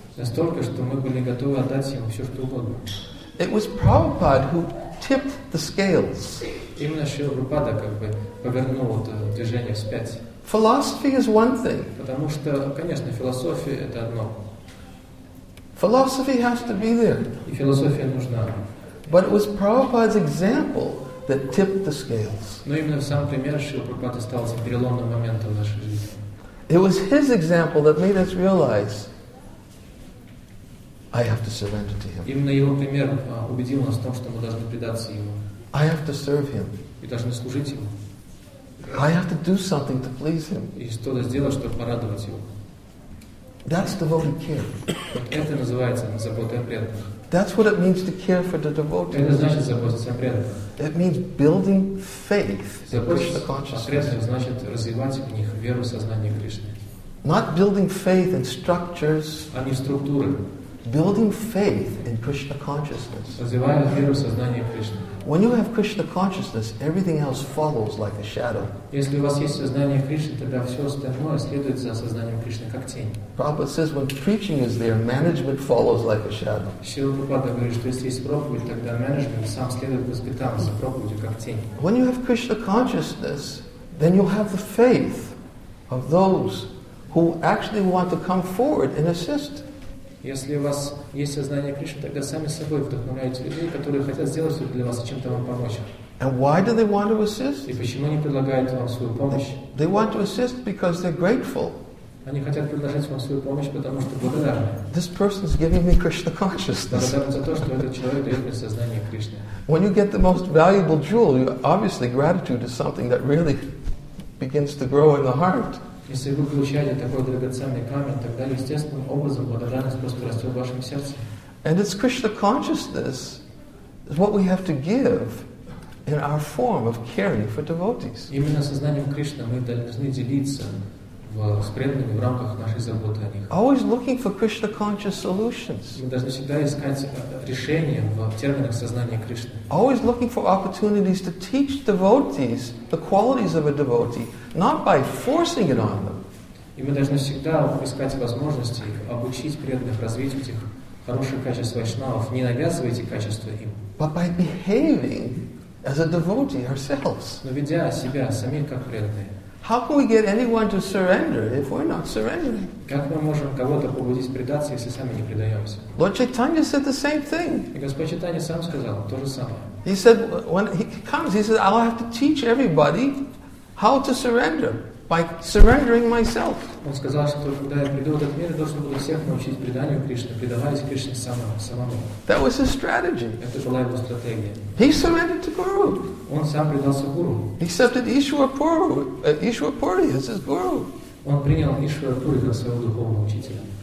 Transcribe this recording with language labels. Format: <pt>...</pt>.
<ru>Настолько, что мы были готовы отдать ему все, что угодно.</ru> <en>It was Prabhupada who tipped the scales.</en> <ru>Именно Шрила Прабхупада как бы повернул это движение вспять.</ru> <en>Philosophy is one thing.</en> <ru>Потому что, конечно, философия это одно.</ru> <en>Philosophy has to be there.</en> <ru>И философия нужна.</ru> <en>But it was Prabhupada's example that tipped the scales.</en> <ru>Но именно сам пример Шрилы Прабхупады стал переломным моментом в нашей жизни.</ru> <en>It was his example that made us realize I have to surrender to him.</en> <ru>Именно его пример убедил нас в том, что мы должны предаться ему.</ru> <en>I have to serve him.</en> <ru>И должны служить ему.</ru> <en>I have to do something to please him.</en> <ru>И что-то сделать, чтобы порадовать его.</ru> <en>That's devotee care.</en> <ru>Вот это называется забота о преданных.</ru> <en>That's what it means to care for the devotee.</en> <ru>Это значит заботиться о преданных.</ru> <en>It means building faith in Krishna consciousness.</en> <ru>Заботиться о преданных значит развивать в них веру в сознание Кришны.</ru> <en>Not building faith in structures.</en> <ru>А не в структуры.</ru> <en>Building faith in Krishna consciousness.</en> <ru>Развивая веру в сознание Кришны.</ru> <en>When you have Krishna consciousness, everything else follows like a shadow.</en> <ru>Если у вас есть сознание Кришны, тогда все остальное следует за сознанием Кришны как тень.</ru> <en>Prabhupada says when preaching is there, management follows like a shadow.</en> <ru>Шрила Прабхупада говорит, что если есть проповедь, тогда менеджмент сам следует по пятам за проповедью как тень.</ru> <en>When you have Krishna consciousness, then you'll have the faith of those who actually want to come forward and assist.</en> <ru>Если у вас есть сознание Кришны, тогда сами собой вдохновляете людей, которые хотят сделать что-то для вас и чем-то вам помочь.</ru> <en>And why do they want to assist?</en> <ru>И почему они предлагают вам свою помощь?</ru> <en>They want to assist because they're grateful.</en> <ru>Они хотят предложить вам свою помощь, потому что благодарны.</ru> <en>This person is giving me Krishna consciousness.</en> <ru>Благодарны за то, что этот человек дает мне сознание Кришны.</ru> <en>When you get the most valuable jewel, obviously gratitude is something that really begins to grow in the heart.</en> <ru>Если вы получаете такой драгоценный камень, тогда естественным образом благодарность просто растет в вашем сердце.</ru> <en>And it's Krishna consciousness is what we have to give in our form of caring for devotees.</en> <ru>Именно сознанием Кришны мы должны делиться с преданными в рамках нашей заботы о них.</ru> <en>Always looking for Krishna conscious solutions.</en> <ru>Мы должны всегда искать решение в терминах сознания Кришны.</ru> <en>Always looking for opportunities to teach devotees the qualities of a devotee, not by forcing it on them.</en> <ru>И мы должны всегда искать возможности обучить преданных развить этих хороших качеств вайшнавов, не навязывая эти качества им.</ru> <en>But by behaving as a devotee ourselves.</en> <ru>Но ведя себя самих как преданные.</ru> <en>How can we get anyone to surrender if we're not surrendering?</en> <ru>Как мы можем кого-то побудить предаться, если сами не предаемся?</ru> <en>Lord Chaitanya said the same thing.</en> <ru>И Господь Чайтанья сам сказал то же самое.</ru> <en>He said when he comes, he said, I'll have to teach everybody how to surrender by surrendering myself.</en> <ru>Он сказал, что когда я приду в этот мир, я должен буду всех научить преданию Кришне, предаваясь Кришне самому.</ru> <en>That was his strategy.</en> <ru>Это была его стратегия.</ru> <en>He surrendered to Guru.</en> <ru>Он сам предался Гуру.</ru> <en>He accepted Ishwarpuri as his Guru.</en> <ru>Он принял Ishwarpuri за своего духовного учителя.</ru>